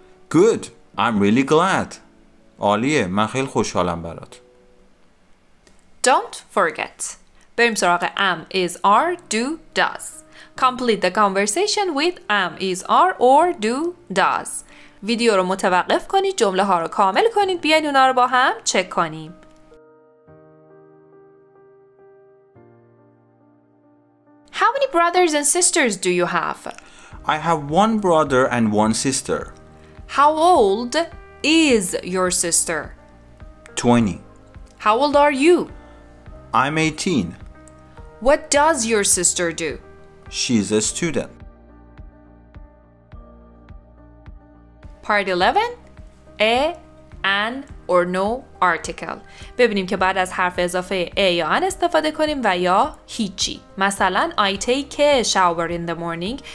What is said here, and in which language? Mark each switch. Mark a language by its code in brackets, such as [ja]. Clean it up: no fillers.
[en] Good. I'm really glad. [fa] عالیه. من خیلی خوشحالم برات. [en] Don't forget. [fa] بریم سراغ [en] am, is, are, do, does. Complete the conversation with am, is, are, or do, does. [fa] ویدیو رو متوقف کنید. جمله ها رو کامل کنید. بیاین اونا رو با هم چک کنیم. [en] How many brothers and sisters do you have? I have one brother and one sister. How old is your sister? 20. How old are you? I'm 18. What does your sister do? She's a student. Part 11. A, an, or no article. [fa] ببینیم که بعد از حرف اضافه a یا an استفاده کنیم و یا هیچی. مثلا [en] I take a shower in the morning.